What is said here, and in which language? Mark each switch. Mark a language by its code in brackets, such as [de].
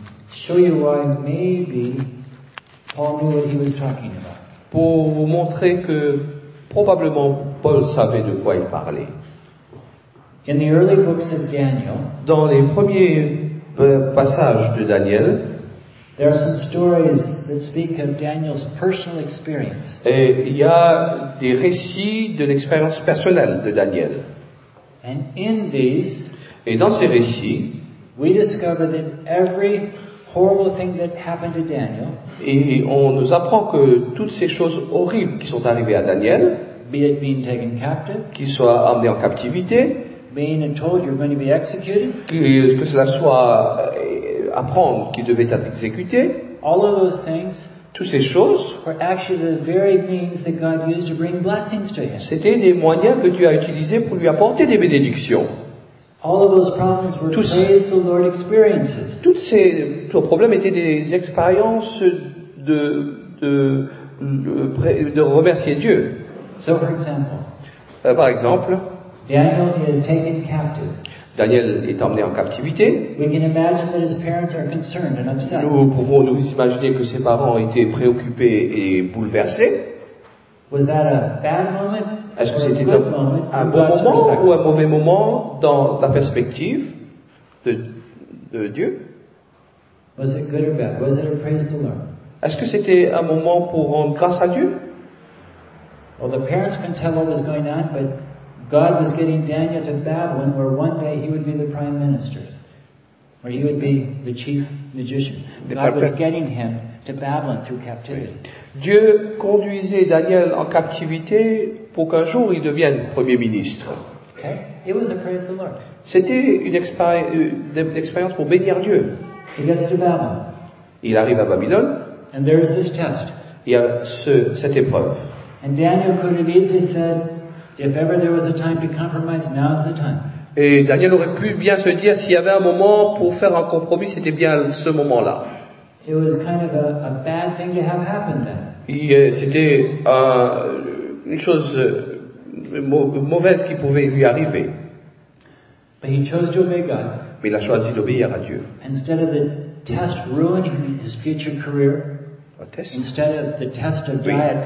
[en] Show you why maybe Paul knew what he was talking about. [fr] Pour vous montrer que probablement Paul savait de quoi il parlait. [en] In the early books of Daniel, [fr] dans les premiers passages de Daniel, [en] there are some stories that speak of Daniel's personal experience. [fr] Et il y a des récits de l'expérience personnelle de Daniel. [en] And in these, [fr] et dans ces récits, [en] we discover that every horrible thing that happened to Daniel. [fr] Et on nous apprend que toutes ces choses horribles qui sont arrivées à Daniel, [en] be it being taken captive, [fr] qu'il soit emmené en captivité, [en] being told you're going to be executed, [fr] que cela soit apprendre qu'il devait être exécuté, [en] all of those things, [fr] toutes ces choses, [en] were actually the very means that God used to bring blessings to him. [fr] C'était des moyens que Dieu a utilisés pour lui apporter des bénédictions. [en] All of those problems were praise the Lord experiences. [fr] Toutes ces problèmes étaient des expériences de remercier Dieu. [en] So for example, [fr] par exemple, [en] Daniel is taken captive. [fr] Daniel est emmené en captivité. [en] We can imagine that his parents are concerned and upset. [fr] Nous pouvons nous imaginer que ses parents étaient préoccupés et bouleversés. [en] Was that a bad moment? [fr] Est-ce que c'était un bon moment ou un mauvais moment dans la perspective de Dieu? [en] Was it good or bad? Was it a praise to Lord? [fr] Est-ce que c'était un moment pour rendre grâce à Dieu? [en] Well, the parents can tell what was going on, but God was getting Daniel to Babylon, where one day he would be the prime minister, where he would be the chief magician. God was getting him to Babylon through captivity. [fr] Dieu conduisait Daniel en captivité pour qu'un jour il devienne premier ministre. [en] Okay. It was a praise the Lord. [fr] C'était une expérience pour bénir Dieu. [en] He gets to Babylon. [fr] Il arrive à Babylone. [en] And there is this test. [fr] Il y a cette épreuve. [en] And Daniel could have easily said, if ever there was a time to compromise, now is the time. [fr] Et Daniel aurait pu bien se dire, s'il y avait un moment pour faire un compromis, c'était bien ce moment-là. [en] It was kind of a bad thing to have happen then. [fr] C'était une chose mauvaise qui pouvait lui arriver. [en] But he chose to obey God. [fr] Mais il a choisi d'obéir à Dieu. [en] Instead of the test ruining his future career, instead of the test of diet, [fr] oui.